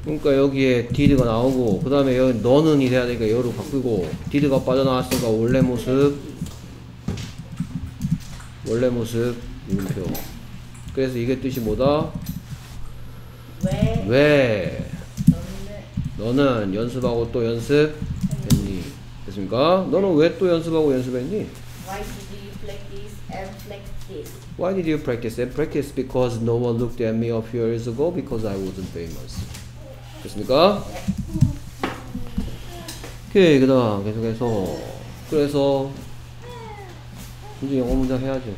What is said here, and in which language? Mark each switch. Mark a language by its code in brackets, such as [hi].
[ko] 그러니까 여기에 did가 나오고 그 다음에 여기 너는이 돼야 되니까 여로 바꾸고 did가 빠져나왔으니까 원래 모습 원래 모습 이름표. 그래서 이게 뜻이 뭐다? 왜 너는 연습하고 또 연습했니? 됐습니까? 네. 너는 왜 또 연습하고 연습했니? [en] Why did you practice and practice? Why did you practice and practice? Because no one looked at me a few years ago because I wasn't famous. [ko] 됐습니까? 오케이, 그 다음 계속해서 그래서 이제 영어 문장 해야죠.